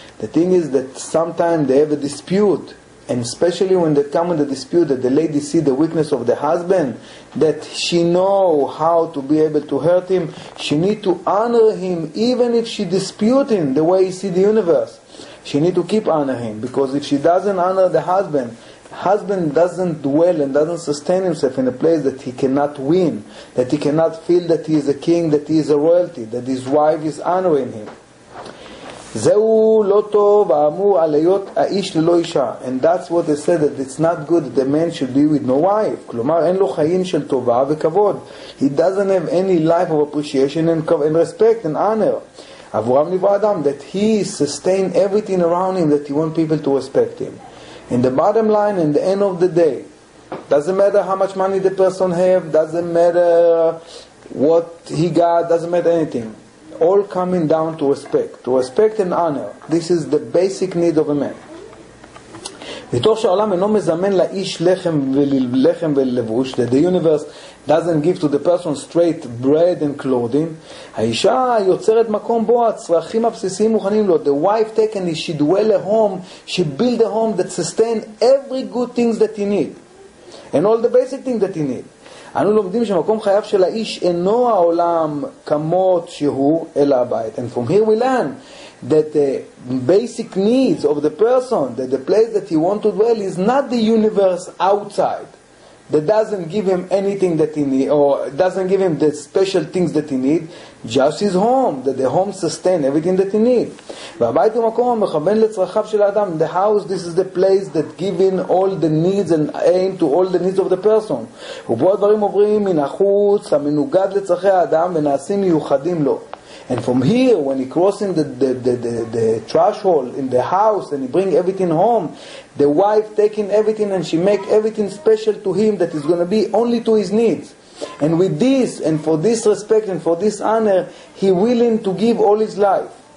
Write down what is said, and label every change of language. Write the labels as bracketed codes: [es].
[en] The thing is that sometimes they have a dispute. And especially when they come in the dispute that the lady see the weakness of the husband, that she know how to be able to hurt him, she need to honor him even if she dispute him the way he see the universe. She need to keep honor him, because if she doesn't honor the husband, husband doesn't dwell and doesn't sustain himself in a place that he cannot win, that he cannot feel that he is a king, that he is a royalty, that his wife is honoring him. [he] זהו לא טוב האמור על היות האיש ללא אישה. [en] And that's what they said, that it's not good that the man should be with no wife. [he] כלומר, אין לו חיים של טובה וכבוד. [en] He doesn't have any life of appreciation and respect and honor. [he] עבורם נברא אדם, [en] that he sustain everything around him, that he want people to respect him. In the bottom line, in the end of the day, doesn't matter how much money the person have, doesn't matter what he got, doesn't matter anything. All coming down to respect. To respect and honor. This is the basic need of a man. [he] מתוך שהעולם אינו מזמן לאיש לחם ולבוש, [en] that the universe doesn't give to the person straight bread and clothing, [he] האישה יוצרת מקום בו הצרכים הבסיסיים מוכנים לו. [en] The wife taken, she dwell a home, she build a home that sustain every good things that he need. And all the basic things that he need. [he] אנו לומדים שמקום חייו של האיש אינו העולם כמות שהוא אלא הבית. [en] And from here we learn that the basic needs of the person, that the place that he want to dwell is not the universe outside that doesn't give him anything that he need, or doesn't give him the special things that he need, just his home, that the home sustain everything that he need. [he] והבית הוא מקום מכוון לצרכיו של האדם. [en] The house, this is the place that giving all the needs and aim to all the needs of the person. [he] ובו הדברים עוברים מן החוץ המנוגד לצרכי האדם ונעשים מיוחדים לו. [en] And from here, when he crossing the threshold in the house and he bring everything home, the wife taking everything and she make everything special to him that is going to be only to his needs. And with this, and for this respect and for this honor, he willing to give all his life.